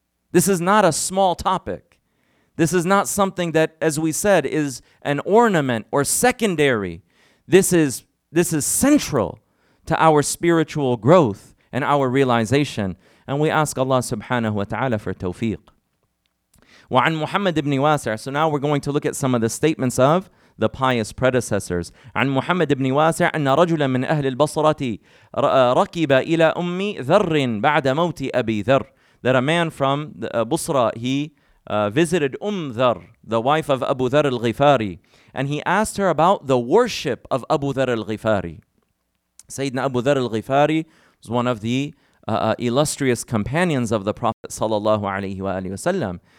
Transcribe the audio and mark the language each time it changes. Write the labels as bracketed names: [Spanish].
[English] This is not a small topic. This is not something that, as we said, is an ornament or secondary. This is central to our spiritual growth and our realization. And we ask Allah subhanahu wa ta'ala for tawfiq. [Arabic] وَعَنْ مُحَمَّدْ بْنِ وَاسِعٍ. [English] So now we're going to look at some of the statements of the pious predecessors. [Arabic] عن محمد بن واسع أن رجلا من أهل البصرة ركب إلى أم ذر بعد موت أبي ذر. [English] That a man from Busra, he visited Umm Dhar, the wife of Abu Dhar al-Ghifari, and he asked her about the worship of Abu Dhar al-Ghifari. Sayyidina Abu Dhar al-Ghifari was one of the illustrious companions of the Prophet sallallahu alayhi wa alihi wasallam.